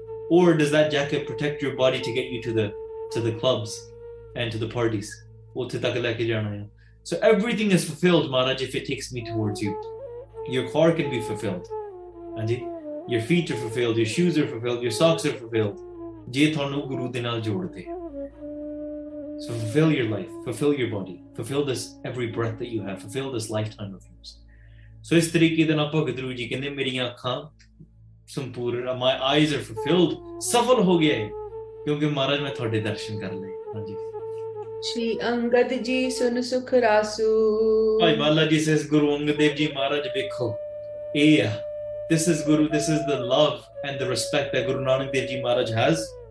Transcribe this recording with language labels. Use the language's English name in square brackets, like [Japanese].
[English] Or does that jacket protect your body to get you to the clubs and to the parties? So everything is fulfilled, Maharaj, if it takes me towards you. Your car can be fulfilled. And your feet are fulfilled, your shoes are fulfilled, your socks are fulfilled. [Punjabi] ਜੇ ਤੁਹਾਨੂੰ ਗੁਰੂ ਦੇ ਨਾਲ ਜੋੜਦੇ ਸੋ [English] fill your life fill your body fill this every breath that you have fill this lifetime of yours [Punjabi] ਸੋ ਇਸ ਤਰੀਕੇ ਦੇ ਨਾਲ ਭਗਤ ਗੁਰੂ ਜੀ ਕਹਿੰਦੇ ਮੇਰੀਆਂ ਅੱਖਾਂ ਸੰਪੂਰਨ [English] my eyes are filled [Punjabi] ਸਫਲ ਹੋ ਗਏ ਕਿਉਂਕਿ ਮਹਾਰਾਜ ਮੈਂ ਤੁਹਾਡੇ ਦਰਸ਼ਨ ਕਰ ਲਏ ਹਾਂਜੀ ਸ਼੍ਰੀ ਅੰਗਦ ਜੀ ਸੁਨ ਸੁਖ ਰਾਸੂ ਭਾਈ ਬਾਲਾ ਜੀ ਸੇ ਗੁਰੂ ਅੰਗਦ ਦੇਵ ਜੀ ਮਹਾਰਾਜ ਵੇਖੋ ਇਹ ਆ [English] This is Guru, this is the love and the respect that Guru Nanak Dev Ji Maharaj has.